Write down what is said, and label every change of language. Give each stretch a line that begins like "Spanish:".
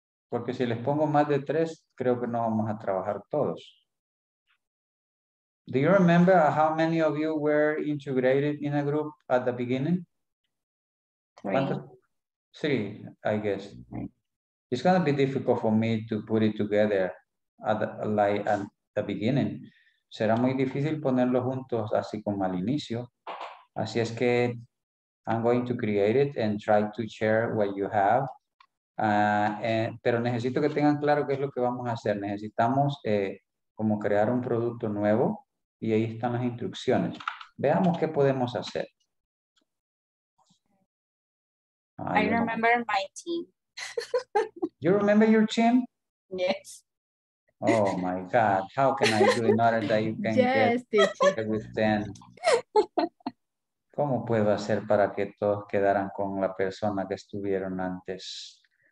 Spanish: Porque si les pongo más de 3, creo que no vamos a trabajar todos.
English: Do you remember how many of you were integrated in a group at the beginning? 3, I guess. It's gonna be difficult for me to put it together at the beginning.
Spanish: Será muy difícil ponerlos juntos así como al inicio. Así es que
English: I'm going to create it and try to share what you have.
Spanish: Pero necesito que tengan claro qué es lo que vamos a hacer. Necesitamos como crear un producto nuevo y ahí están las instrucciones. Veamos qué podemos hacer.
English: I remember my team. You remember your team? Yes. Oh my God, how can I do it in order that you can get with them?
Spanish: ¿Cómo puedo hacer para que todos quedaran con la persona que estuvieron antes?